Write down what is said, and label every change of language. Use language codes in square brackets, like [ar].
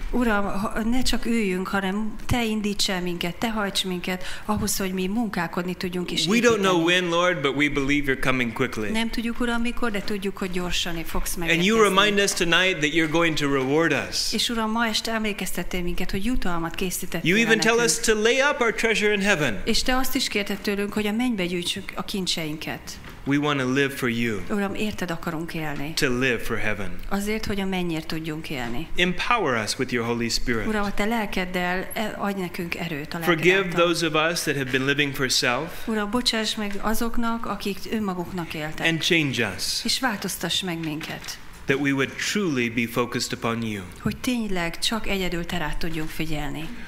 [hu] Uram, ne csak üljünk, hanem te indíts el minket, te hajts minket ahhoz, hogy mi munkálkodni tudjunk is. [en] We don't know when, Lord, but we believe you're coming quickly. [hu] Nem tudjuk, Uram, mikor, de tudjuk, hogy gyorsan fogsz megérkezni. [en] And you remind us tonight that you're going to reward us. [hu] És Uram, ma este emlékeztettél minket, hogy jutalmat készítettél. [en] You even tell us to lay up our treasure in heaven. [hu] És te azt is kérted tőlünk, hogy a mennybe gyűjtsük a kincseinket. [en] We want to live for you. [hu] Uram, érted akarunk élni. [en] To live for heaven. [hu] Azért, hogy a mennyért tudjunk élni. [en] Empower us with your Holy Spirit. [hu] Uram, a te lelkeddel adj nekünk erőt. [en] Forgive those of us that have been living for self. [hu] Uram, bocsáss meg azoknak, akik önmaguknak éltek. [en] And change us. [hu] És változtass meg minket. [en] That we would truly be focused upon you. [hu] Hogy tényleg csak egyedül te rád tudjunk figyelni.